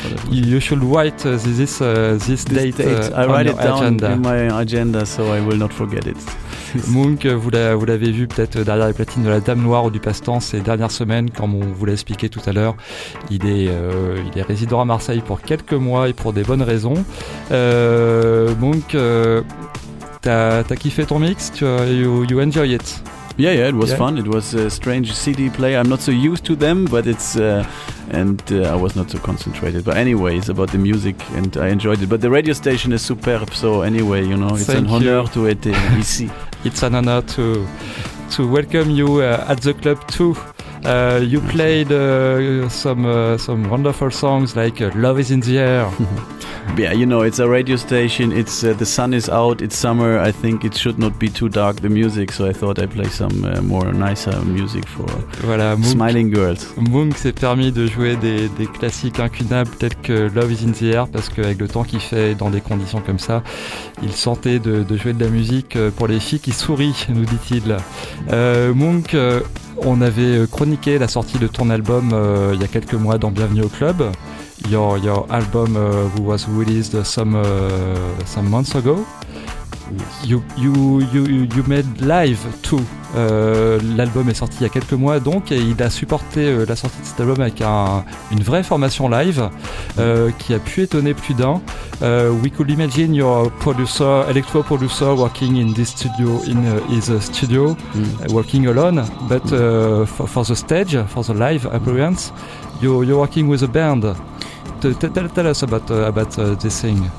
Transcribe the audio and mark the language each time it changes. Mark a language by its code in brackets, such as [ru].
[en] You should write this date in my agenda, so I will not forget it. [fr] Munk, vous l'avez vu peut-être derrière les platines de la Dame Noire ou du Passe-Temps ces dernières semaines, comme on vous l'a expliqué tout à l'heure. Il est résident à Marseille pour quelques mois et pour des bonnes raisons. Munk, t'as kiffé ton mix? [en] You enjoy it? Yeah, it was fun. It was a strange CD player. I'm not so used to them, but it's... I was not so concentrated. But anyway, it's about the music, and I enjoyed it. But the radio station is superb, so anyway, you know, it's an honor to [fr] être ici. [en] It's an honor to welcome you at the club too. You played some wonderful songs like Love is in the Air. Yeah, you know, it's a radio station, it's the sun is out, it's summer, I think it should not be too dark, the music, so I thought I'd play some more nicer music for [fr] voilà, [en] Munk, smiling girls. [fr] Munk s'est permis de jouer des classiques incunables tels que Love is in the Air, parce qu'avec le temps qu'il fait dans des conditions comme ça, il sentait de jouer de la musique pour les filles qui sourient, nous dit-il. Munk, on avait chroniqué la sortie de ton album il y a quelques mois dans Bienvenue au Club. [en] Your album was released some months ago. Yes. You made live too. [fr] L'album est sorti il y a quelques mois donc, et il a supporté la sortie de cet album avec une vraie formation live qui a pu étonner plus d'un. [en] We could imagine your producer, electro producer, working in this studio, in his studio, working alone, but for the stage, for the live appearance, you're working with a band. Tell us about this thing.